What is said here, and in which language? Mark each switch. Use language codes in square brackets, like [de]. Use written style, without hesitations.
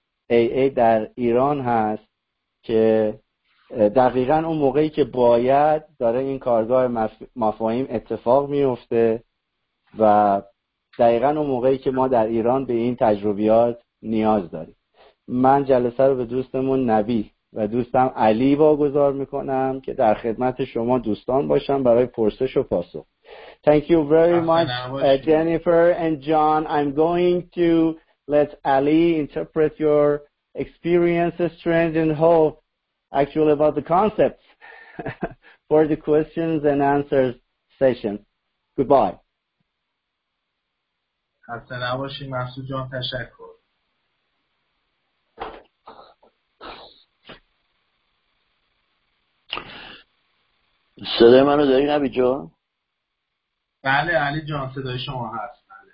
[fa] AA در ایران هست که دقیقا اون موقعی که باید داره این کارگاه مفاهیم اتفاق میفته و دقیقا اون موقعی که ما در ایران به این تجربیات نیاز داریم. من جلسه رو به دوستمون نبی و دوستم علی واگذار میکنم که در خدمت شما دوستان باشم برای پرسش و پاسخ. [en] Thank you very much, Jennifer and John. I'm going to let Ali interpret your experiences, strength, and hope, actually about the concepts for the questions and answers session. Goodbye. [fa] خسته نباشی محسود جان، تشکر. صدای منو داری نبی جان؟ بله علی جان، صدای شما هست.